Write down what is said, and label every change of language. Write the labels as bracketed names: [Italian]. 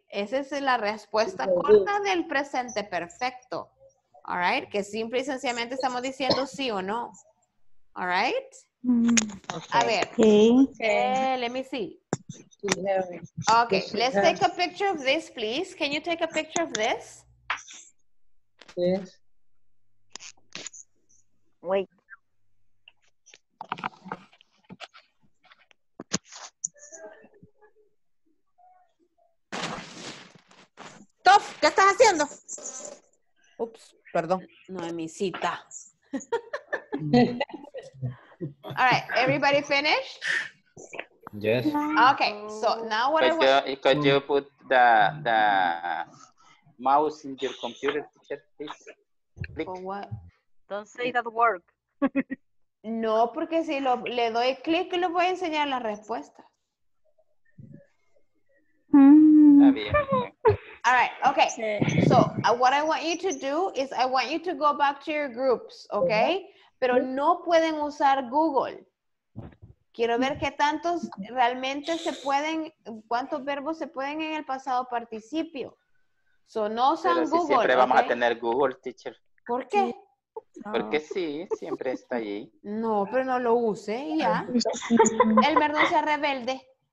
[Spanish] Esa es la respuesta corta del presente perfecto. [English] All right? [Spanish] Que simple y sencillamente estamos diciendo sí o no. [English] All right? Okay. [Spanish] A ver. [English] Let me see. Okay, let's take a picture of this, please. Can you take a picture of this? Yes. Wait. [Spanish] Tof, ¿qué estás haciendo? Oops, perdón. No, mi cita. [English] All right, everybody finished? Yes. Okay, so now what could I want... You, could you put the mouse in your computer, teacher, please? Click. For what? Don't say that word. [Spanish] No, porque si lo, le doy click, le voy a enseñar la respuesta. Está bien. All right, okay. [English] So what I want you to do is I want you to go back to your groups, okay? [Spanish] Pero no pueden usar Google. Quiero ver qué tantos realmente se pueden, cuántos verbos se pueden en el pasado participio. [English] So, [Spanish] no usan si Google. Siempre vamos a tener Google, teacher. ¿Por qué? Porque sí, siempre está allí. No, pero no lo use, ya. El verbo sea rebelde.